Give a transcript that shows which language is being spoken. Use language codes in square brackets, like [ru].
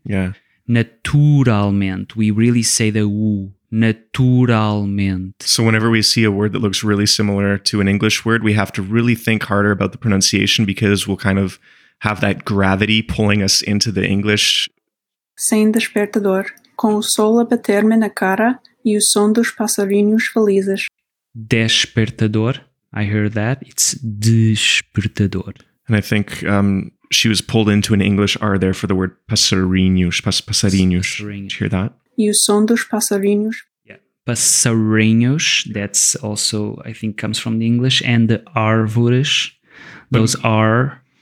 [en] Yeah. Naturalmente. We really say the U. Naturalmente. So whenever we see a word that looks really similar to an English word, we have to really think harder about the pronunciation because we'll kind of have that gravity pulling us into the English. [pt] Sem despertador, com o sol a bater-me na cara e o som dos passarinhos felizes. [en] Despertador. I heard that. It's despertador. And I think she was pulled into an English R there for the word passarinhos. Passarinhos. Did you hear that? [pt] E o som dos passarinhos. [en] Yeah. Passarinhos. That's also, I think, comes from the English. And the árvores. Those are...